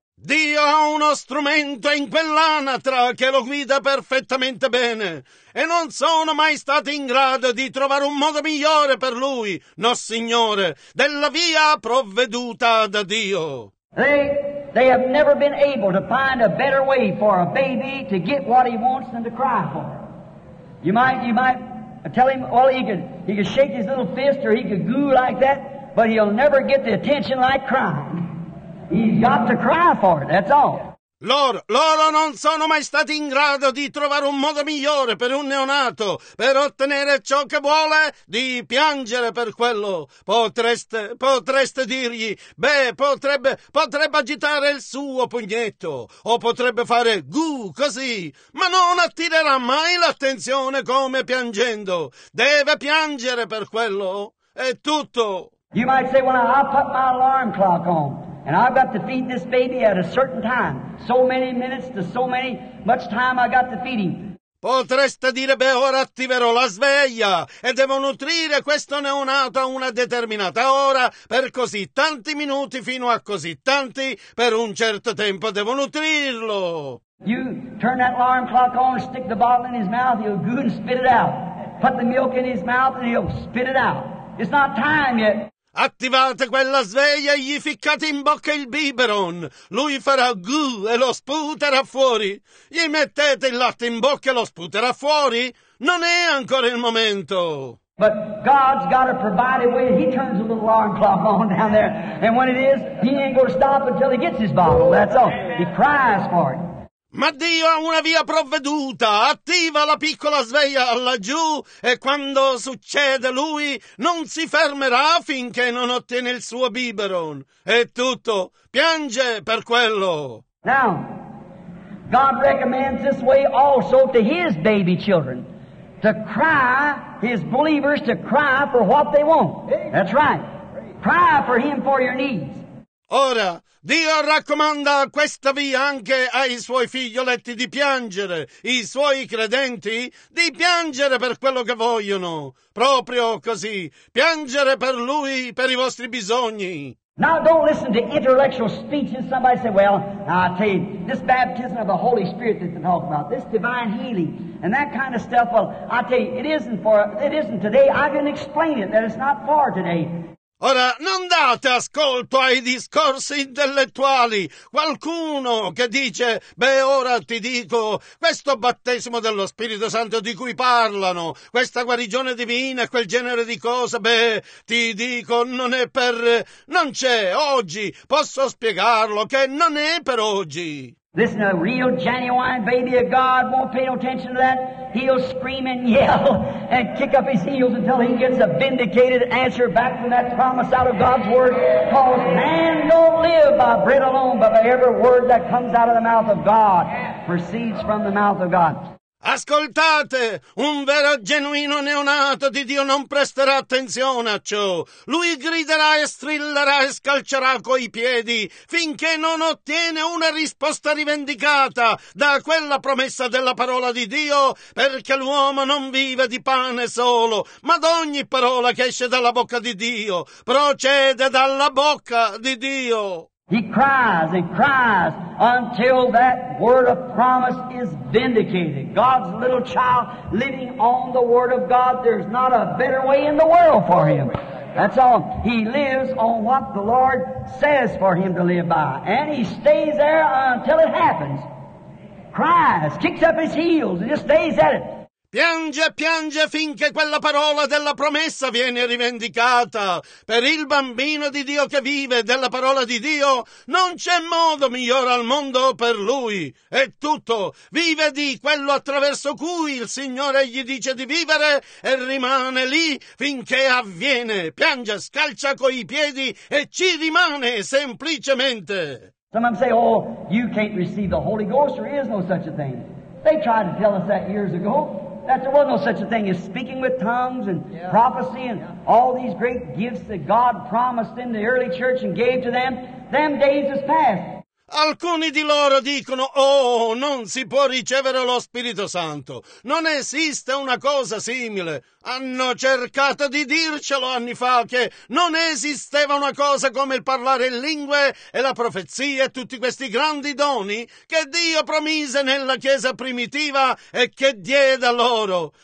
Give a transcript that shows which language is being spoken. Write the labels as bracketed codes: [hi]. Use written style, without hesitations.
[it] Dio ha uno strumento in quell'anatra che lo guida perfettamente bene, e non sono mai stati in grado di trovare un modo migliore per lui, no signore, della via provveduta da Dio. [en] They have never been able to find a better way for a baby to get what he wants than to cry for. You might tell him, well, he could shake his little fist or he could goo like that, but he'll never get the attention like crying. He's got to cry for it, that's all. [it] Loro non sono mai stati in grado di trovare un modo migliore per un neonato per ottenere ciò che vuole di piangere per quello. Potreste dirgli, beh, potrebbe agitare il suo pugnetto o potrebbe fare gu così, ma non attirerà mai l'attenzione come piangendo. Deve piangere per quello. È tutto. [en] You might say, well, I'll put my alarm clock on. And I've got to feed this baby at a certain time, so many minutes to so many, much time I got to feed him. [it] Potreste dire, beh, ora attiverò la sveglia e devo nutrire questo neonato a una determinata ora, per così tanti minuti fino a così tanti, per un certo tempo devo nutrirlo. [en] You turn that alarm clock on, stick the bottle in his mouth, he'll go and spit it out. Put the milk in his mouth and he'll spit it out. It's not time yet. [it] Attivate quella sveglia e gli ficcate in bocca il biberon. Lui farà gu e lo sputerà fuori. Gli mettete il latte in bocca e lo sputerà fuori. Non è ancora il momento. [en] But God's got to provide a way. He turns a little alarm clock on down there. And when it is, he ain't going to stop until he gets his bottle. That's all. He cries for it. [it] Ma Dio ha una via provveduta, attiva la piccola sveglia laggiù e quando succede lui non si fermerà finché non ottiene il suo biberon. È tutto. Piange per quello. [en] Now, God recommends this way also to his baby children, to cry, his believers to cry for what they want. That's right. Cry for him for your needs. [it] Ora, Dio raccomanda questa via anche ai suoi figlioletti di piangere, i suoi credenti, di piangere per quello che vogliono. Proprio così, piangere per lui, per i vostri bisogni. [en] Now don't listen to intellectual speeches. Somebody say, well, I'll tell you, this baptism of the Holy Spirit that they talk about, this divine healing and that kind of stuff, well, I'll tell you, it isn't today. I can explain it, that it's not for today. [it] Ora, non date ascolto ai discorsi intellettuali. Qualcuno che dice, beh, ora ti dico, questo battesimo dello Spirito Santo di cui parlano, questa guarigione divina, quel genere di cose, beh, ti dico, non c'è oggi, posso spiegarlo, che non è per oggi. [en] Listen, a real genuine baby of God won't pay no attention to that. He'll scream and yell and kick up his heels until he gets a vindicated answer back from that promise out of God's word. Cause man don't live by bread alone, but by every word that comes out of the mouth of God, proceeds from the mouth of God. [it] Ascoltate, un vero genuino neonato di Dio non presterà attenzione a ciò. Lui griderà e strillerà e scalcerà coi piedi finché non ottiene una risposta rivendicata da quella promessa della parola di Dio, perché l'uomo non vive di pane solo, ma d'ogni parola che esce dalla bocca di Dio, procede dalla bocca di Dio. [en] He cries and cries until that word of promise is vindicated. God's little child living on the word of God, there's not a better way in the world for him. That's all. He lives on what the Lord says for him to live by. And he stays there until it happens. cries, kicks up his heels, and just stays at it. [it] Piange, piange finché quella parola della promessa viene rivendicata. Per il bambino di Dio che vive della parola di Dio, non c'è modo migliore al mondo per lui. È tutto. Vive di quello attraverso cui il Signore gli dice di vivere e rimane lì finché avviene. Piange, scalcia coi piedi e ci rimane semplicemente. [en] Some of them say, oh, you can't receive the Holy Ghost, there is no such a thing. They tried to tell us that years ago. That there was no such a thing as speaking with tongues and prophecy and all these great gifts that God promised in the early church and gave to them. Them days is past. [it] Alcuni di loro dicono, oh, non si può ricevere lo Spirito Santo. Non esiste una cosa simile. Hanno cercato di dircelo anni fa che non esisteva una cosa come il parlare in lingue e la profezia e tutti questi grandi doni che Dio promise nella Chiesa primitiva e che diede a loro.